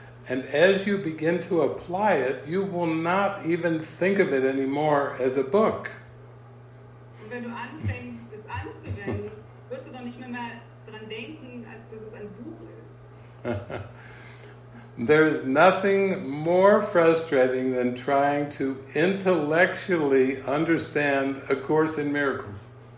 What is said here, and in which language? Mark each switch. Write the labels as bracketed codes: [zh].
[en] And as you begin to apply it, you will not even think of it anymore as a book. [de] Und wenn du anfängst, es anzuwenden, wirst du doch nicht mehr daran denken, als dass es ein Buch ist. [en] There is nothing more frustrating than trying to intellectually understand A Course in Miracles.